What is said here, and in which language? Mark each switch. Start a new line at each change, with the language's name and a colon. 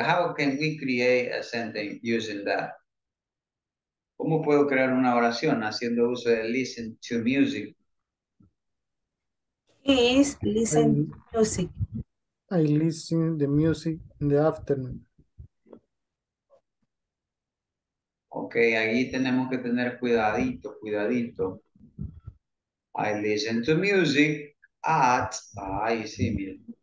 English: How can we create a sentence using that?
Spanish: ¿Cómo puedo crear una oración haciendo uso de
English: listen to music? I listen to the music in the afternoon.
Spanish: Okay, ahí tenemos que tener cuidadito, cuidadito.
English: I listen to music at...
Spanish: Ahí sí, mira.